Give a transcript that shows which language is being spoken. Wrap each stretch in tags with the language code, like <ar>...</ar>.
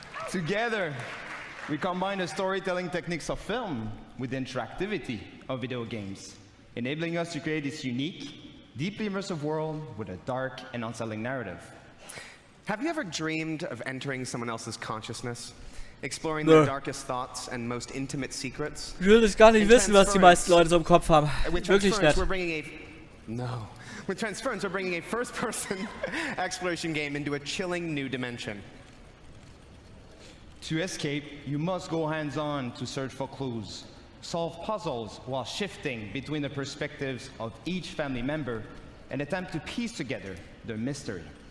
<en>Together, we combine the storytelling techniques of film with the interactivity of video games, enabling us to create this unique, deeply immersive world with a dark and unsettling narrative. Have you ever dreamed of entering someone else's consciousness? Exploring their darkest thoughts and most intimate secrets.</en> <de>Ich will das gar nicht wissen, was die meisten Leute so im Kopf haben. Wirklich nicht.</de> <en>With Transference, we're bringing a first-person exploration game into a chilling new dimension. To escape, you must go hands-on to search for clues, solve puzzles while shifting between the perspectives of each family member, and attempt to piece together their mystery.</en>